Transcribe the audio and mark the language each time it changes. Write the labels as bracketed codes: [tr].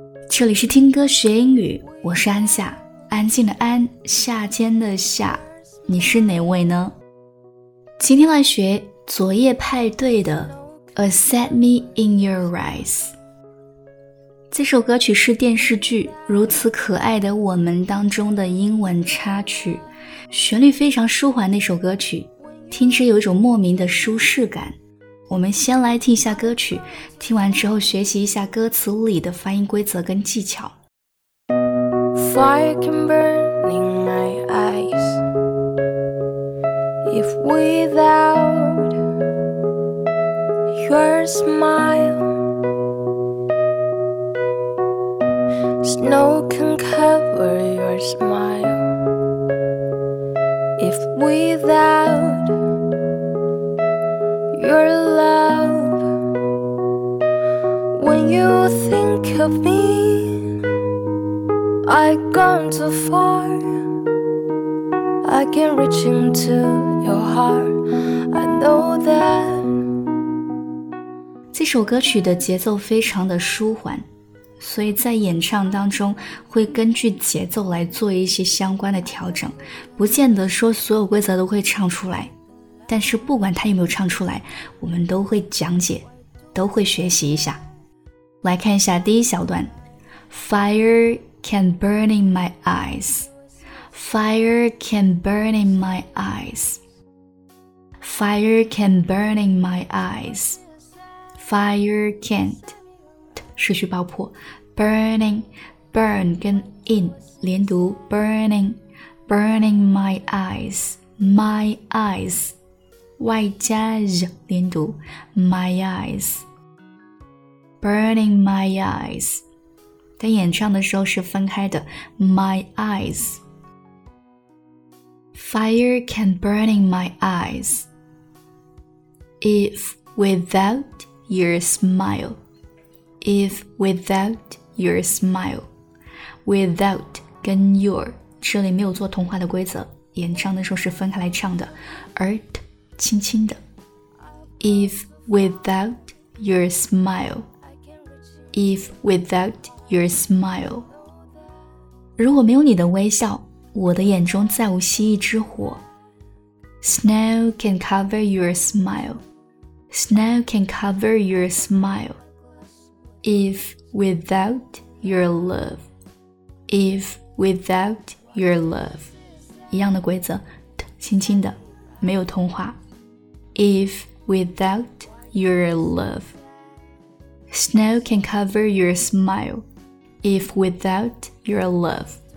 [zh] 这里是听歌学英语，我是安夏，安静的安，夏天的夏，你是哪位呢？今天来学昨夜派对的 A Set Me In Your Eyes。这首歌曲是电视剧《如此可爱的我们》当中的英文插曲，旋律非常舒缓的一首歌曲，听着有一种莫名的舒适感。我们先来听一下歌曲，听完之后学习一下歌词里的发音规则跟技巧。 [en] Fire can burn in my eyes If without your smileSnow can cover your smile If without your love When you think of me I've gone too far I can't reach into your heart I know that [zh] 这首歌曲的节奏非常的舒缓，所以在演唱当中会根据节奏来做一些相关的调整，不见得说所有规则都会唱出来，但是不管他有没有唱出来，我们都会讲解，都会学习一下。来看一下第一小段， [en] Fire can burn in my eyes Fire can burn in my eyes Fire can burn in my eyes Fire can't [zh] 失去爆破 [en] Burning Burn [zh] 跟 [en] in [zh] 连读 [en] Burning Burning my eyes My eyes [zh] 外加 [en] z [zh] 连读 [en] My eyes Burning my eyes [zh] 在演唱的时候是分开的 [en] My eyes Fire can burn in my eyes If without your smileIf without your smile Without 跟 your [zh] 这里没有做同化的规则，演唱的时候是分开来唱的，而 [en] t [zh] 轻轻的。 [en] If without your smile If without your smile [zh] 如果没有你的微笑，我的眼中再无蜥蜴之火。 [en] Snow can cover your smile Snow can cover your smileIf without your love If without your love [zh] 一样的规则 [en] T [zh] 轻轻的没有通话 [en] If without your love Snow can cover your smile If without your love